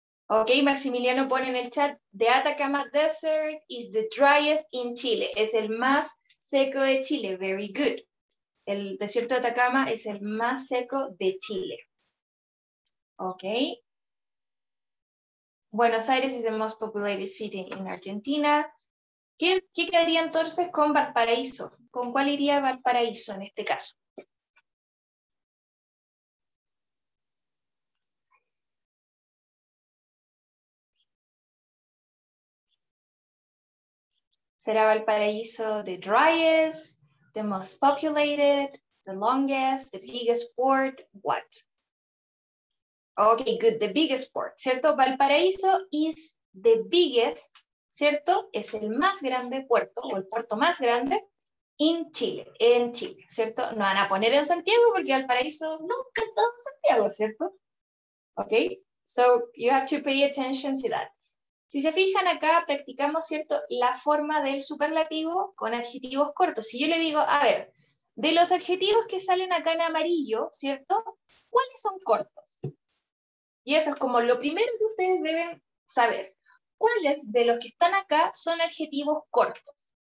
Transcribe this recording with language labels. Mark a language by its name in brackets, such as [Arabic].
[English] Ok, Maximiliano [Spanish] pone en el chat, [English] the Atacama Desert is the driest in Chile. [Spanish] Es el más seco de Chile. [English] Very good. [Spanish] El desierto de Atacama es el más seco de Chile. Ok. [English] Buenos Aires is the most populated city in Argentina. [Spanish] ¿Qué quedaría entonces con Valparaíso? ¿Con cuál iría Valparaíso en este caso? [English] ¿Será Valparaíso the driest, the most populated, the longest, the biggest port? What? Ok, good, the biggest port, ¿cierto? Valparaíso is the biggest, ¿cierto? [Spanish] Es el más grande puerto, o el puerto más grande, en Chile, ¿cierto? No van a poner en Santiago porque Valparaíso nunca está en Santiago, ¿cierto? [English] Ok, so you have to pay attention to that. [Spanish] Si se fijan acá, practicamos, ¿cierto?, la forma del superlativo con adjetivos cortos. Si yo le digo, a ver, de los adjetivos que salen acá en amarillo, ¿cierto?, ¿cuáles son cortos? Y eso es como lo primero que ustedes deben saber. ¿Cuáles de los que están acá son adjetivos cortos?